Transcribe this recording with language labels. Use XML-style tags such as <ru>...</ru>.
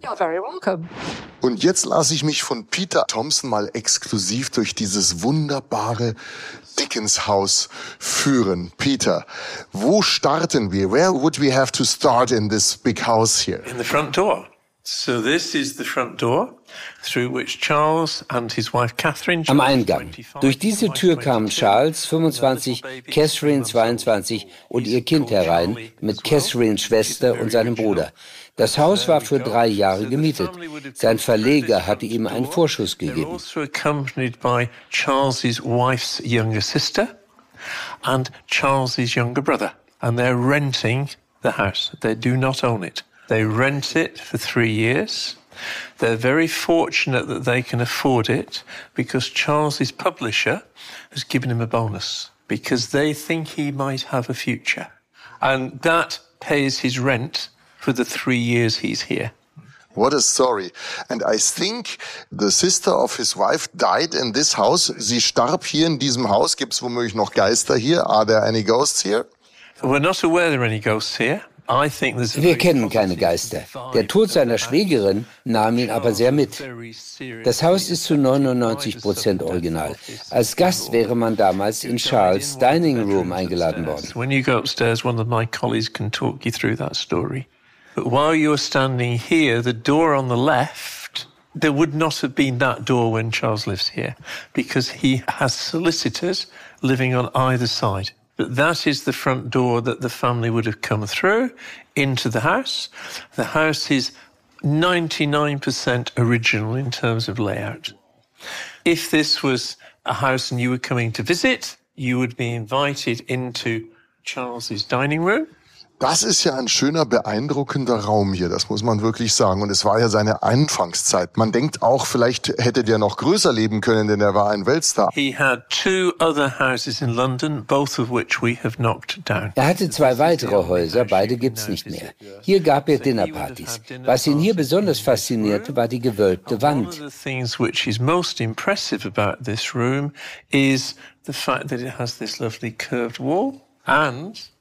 <en>You're very welcome.</en> <de>Und jetzt lasse ich mich von Peter Thompson mal exklusiv durch dieses wunderbare Dickens-Haus führen. Peter, wo starten wir?</de> <en>Where would we have to start in this big house here? In the front door. So this is the front door through which Charles and his wife Catherine.</en> <de>Am Eingang. Durch diese Tür kamen Charles 25, Catherine 22 und ihr Kind herein mit Catherines Schwester und seinem Bruder. Das Haus war für 3 Jahre gemietet. Sein Verleger hatte ihm einen Vorschuss gegeben.</de> <en>They're also accompanied by Charles's wife's younger sister and Charles's younger brother, and they're renting the house. They do not own it. They rent it for 3 years. They're very fortunate that they can afford it because Charles's publisher has given him a bonus because they think he might have a future. And that pays his rent for the 3 years he's here. What a story. And I think the sister of his wife died in this house.</en> <de>Sie starb hier in diesem Haus. Gibt's womöglich noch Geister hier?</de> <en>Are there any ghosts here? We're not aware there are any ghosts here.</en> <de>Wir kennen keine Geister. Der Tod seiner Schwägerin nahm ihn aber sehr mit. Das Haus ist zu 99% original. Als Gast wäre man damals in Charles' Dining Room eingeladen worden.</de> <en>When you go upstairs, one of my colleagues can talk you through that story. But while you're standing here, the door on the left, there would not have been that door when Charles lives here, because he has solicitors living on either side. But that is the front door that the family would have come through into the house. The house is 99% original in terms of layout. If this was a house and you were coming to visit, you would be invited into Charles's dining room.</en> <de>Das ist ja ein schöner, beeindruckender Raum hier, das muss man wirklich sagen. Und es war ja seine Anfangszeit. Man denkt auch, vielleicht hätte der noch größer leben können, denn er war ein Weltstar.</de> <en>He had two other houses in London, both of which we have knocked down.</en> <de>Er hatte 2 weitere Häuser, beide gibt's nicht mehr. Hier gab er Dinnerpartys. Was ihn hier besonders faszinierte, war die gewölbte Wand.</de> <en>One of the things which is most impressive about this room is the fact that it has this lovely curved wall and...</en>